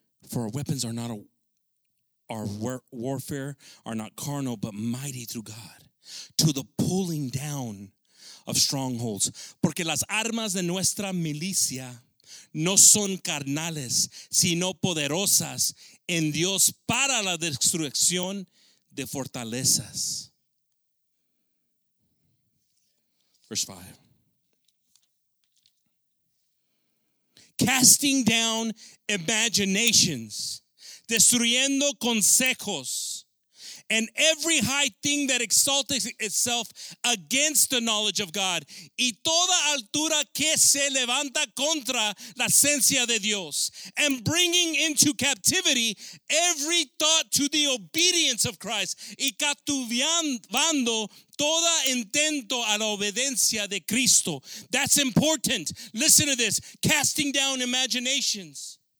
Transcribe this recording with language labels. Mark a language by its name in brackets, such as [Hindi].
[English] For our weapons are not a... Our warfare are not carnal, but mighty through God, to the pulling down of strongholds. [Spanish] Porque las armas de nuestra milicia no son carnales, sino poderosas en Dios para la destrucción de fortalezas. [English] Verse 5. Casting down imaginations. [Spanish] Destruyendo consejos [English] and every high thing that exalts itself against the knowledge of God. [Spanish] Y toda altura que se levanta contra la ciencia de Dios. [English] And bringing into captivity every thought to the obedience of Christ. [Spanish] Y captivando toda intento a la obediencia de Cristo. [English] That's important. Listen to this. Casting down imaginations.